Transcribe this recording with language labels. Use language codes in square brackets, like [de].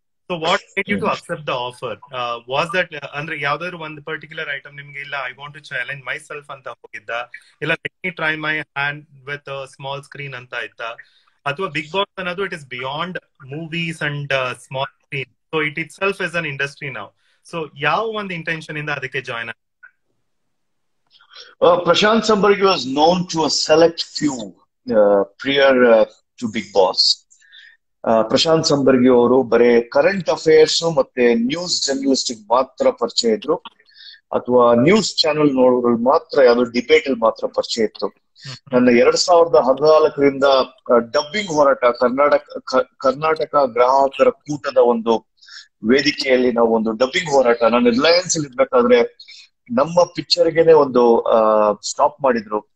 [en] So what take you to accept the offer? Was that [kn] ಅಂದ್ರೆ ಯಾವ್ದಾದ್ರು ಒಂದ್ [en] particular item [kn] ನಿಮ್ಗೆ ಇಲ್ಲ [en] I want to challenge myself [kn] ಅಂತ ಹೋಗಿದ್ದ, ಇಲ್ಲ [en] let me try my hand with small screen [kn] ಅಂತ ಇತ್ತ, ಅಥವಾ [en] Bigg Boss [kn] ಅನ್ನೋದು [en] It is beyond movies and small screen, so it itself is an industry now. [kn] So ಯಾವ ಒಂದ್ intention ಇಂದ ಅದಕ್ಕೆ join? [en] Prashant Sambhargi was known to a select few prior to Big Boss. [kn] Prashant Sambhargi ಅವರು ಬರೇ current affairs ಮತ್ತೆ news journalistic ಮಾತ್ರ ಪರಿಚಯ ಇದ್ರು, ಅಥವಾ ನ್ಯೂಸ್ ಚಾನೆಲ್ ನೋಡೋರು ಮಾತ್ರ, ಯಾವ್ದು ಡಿಬೇಟ್ ಅಲ್ಲಿ ಮಾತ್ರ ಪರಿಚಯ ಇತ್ತು. ನನ್ನ 2014 ಡಬ್ಬಿಂಗ್ ಹೋರಾಟ, ಕರ್ನಾಟಕ ಗ್ರಾಹಕರ ಕೂಟದ ಒಂದು ವೇದಿಕೆಯಲ್ಲಿ ನಾವು ಒಂದು ಡಬ್ಬಿಂಗ್ ಹೋರಾಟ, ನಾನು ರಿಲಯನ್ಸ್ ಅಲ್ಲಿ ಇರ್ಬೇಕಾದ್ರೆ ನಮ್ಮ ಪಿಕ್ಚರ್ಗೆನೆ ಒಂದು ಸ್ಟಾಪ್ ಮಾಡಿದ್ರು.